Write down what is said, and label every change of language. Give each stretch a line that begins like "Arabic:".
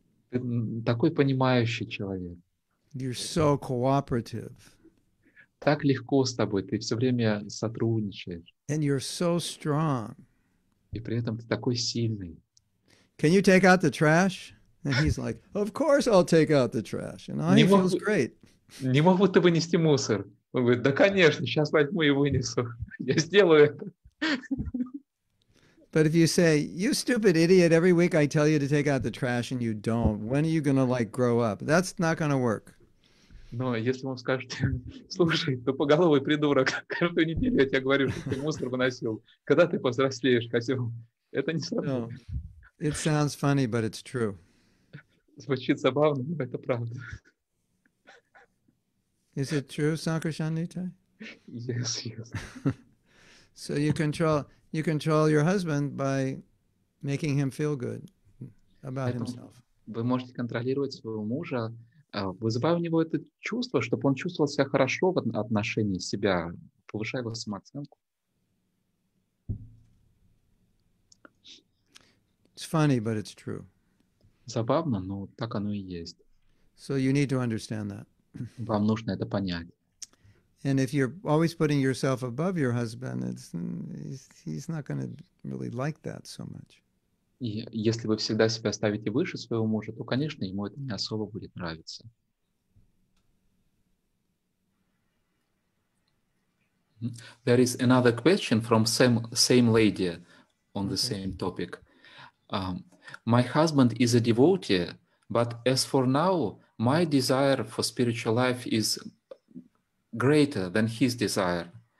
Russian: Ты такой понимающий человек.
English: You're so cooperative.
Russian: Так легко с тобой, ты все время сотрудничаешь.
English: And you're so strong.
Russian: И при этом ты такой сильный.
English: Can you take out the trash? And he's like, of course I'll take out the trash. And I feels great.
Russian: Не могу ты вынести мусор? Он говорит, да конечно, сейчас возьму и вынесу. Я сделаю это.
English: But if you say, you stupid idiot, every week I tell you to take out the trash and you don't, when are you going to, like, grow up? That's not going to work.
Russian: Но если вам скажете, слушай, тупоголовый придурок, каждую неделю я тебе говорю, что ты мусор выносил. Когда ты повзрослеешь, козел? Это не сработает.
English: No. It sounds funny, but it's true.
Russian: Звучит забавно, но это правда.
English: Is it true, Sankarshan Nitai? Yes, yes. So you control your husband by making him feel good about himself.
Russian: Вы можете контролировать своего мужа, вызывая у него это чувство, чтобы он чувствовал себя хорошо в отношении себя, повышая его самооценку.
English: It's funny, but it's true.
Russian: Забавно, но так оно и есть.
English: So you need to understand that.
Russian: Вам нужно это понять.
English: And if you're always putting yourself above your husband, he's not going to really like that so much.
Russian: И если вы всегда себя ставите выше своего мужа, то, конечно, ему это не особо будет нравиться.
English: There is another question from same lady on the same topic. My husband is a devotee, but as for now, my desire for spiritual life is greater than his desire.